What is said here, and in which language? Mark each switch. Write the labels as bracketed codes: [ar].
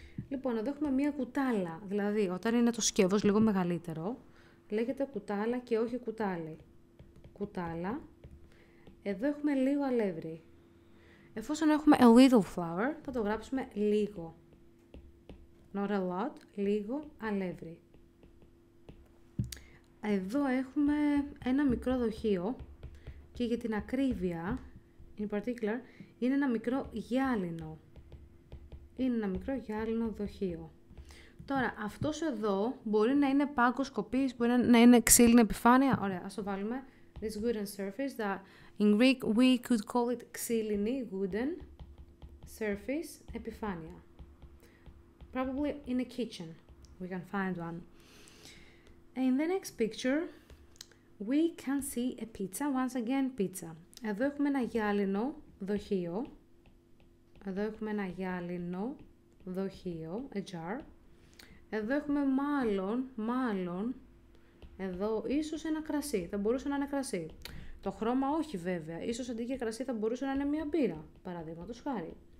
[el] Λοιπόν, εδώ έχουμε μία κουτάλα. Δηλαδή, όταν είναι το σκεύος λίγο μεγαλύτερο, λέγεται κουτάλα και όχι κουτάλι. Κουτάλα. Εδώ έχουμε λίγο αλεύρι. Εφόσον έχουμε [en] a little flower, [el] θα το γράψουμε λίγο. [en] Not a lot, [el] λίγο αλεύρι. Εδώ έχουμε ένα μικρό δοχείο και για την ακρίβεια, [en] in particular, [el] είναι ένα μικρό γυάλινο. Είναι ένα μικρό γυάλινο δοχείο. Τώρα, αυτός εδώ μπορεί να είναι πάγκος κοπής, μπορεί να είναι ξύλινη επιφάνεια. Ωραία, ας το βάλουμε. [en] This wooden surface that in Greek we could call it ξύλινη, wooden surface, επιφάνεια. Probably in a kitchen, we can find one. In the next picture, we can see a pizza, once again pizza. [el] Εδώ έχουμε ένα γυάλινο δοχείο. Εδώ έχουμε ένα γυάλινο δοχείο, a jar. Εδώ έχουμε μάλλον, εδώ ίσως ένα κρασί, θα μπορούσε να είναι κρασί. Το χρώμα όχι βέβαια, ίσως αντί για κρασί θα μπορούσε να είναι μια μπύρα, παραδείγματος χάρη.